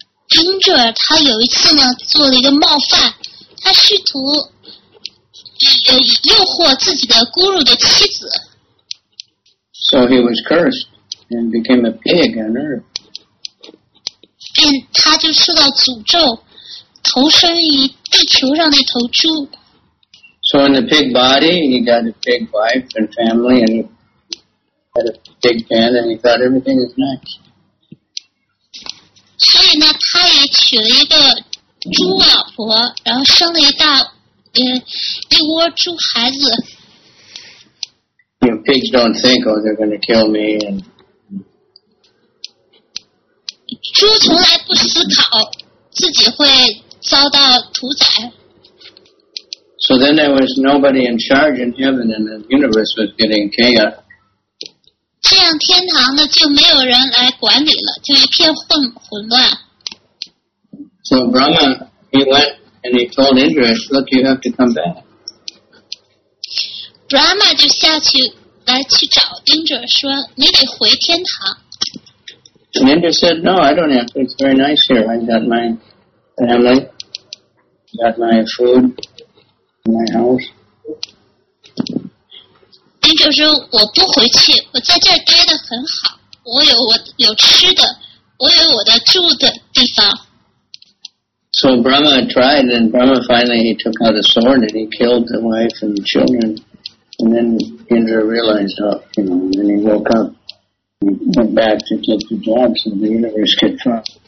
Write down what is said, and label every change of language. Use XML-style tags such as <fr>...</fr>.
<zh>丁哲尔他有一次呢做了一个冒犯，他试图诱惑自己的咕噜的妻子。</zh> <en>So he was cursed and became a pig on earth.</en> <zh>便他就受到诅咒，投身于地球上那头猪。</zh> <en>So in the pig body, he got a pig wife and family, and he had a pig pen, and he thought everything was nice.</en> <zh>所以呢，他也娶了一个猪老婆，然后生了一窝猪孩子。</zh> <en>You know, pigs don't think, oh, they're going to kill me. And...</en> <zh>猪从来不思考自己会遭到屠宰。</zh> <en>So then there was nobody in charge in heaven, and the universe was getting chaos.</en> <zh>这样天堂呢就没有人来管理了，就一片混乱。</zh> <en>So Brahma, he went and he told Indra, look, you have to come back.</en> <zh>Brahma 就下去来去找Indra说，你得回天堂。</zh> <en>And Indra said, no, I don't have to. It's very nice here. I've got my family, got my food, my house.</en> <zh>丁哲说我不回去，我在这儿待得很好，我有吃的，我有我的住的地方。</zh> <en>So Brahma tried, and Brahma finally he took out a sword and he killed the wife and the children, and then Indra realized, and then he woke up, he went back to take the job so the universe could come.</en>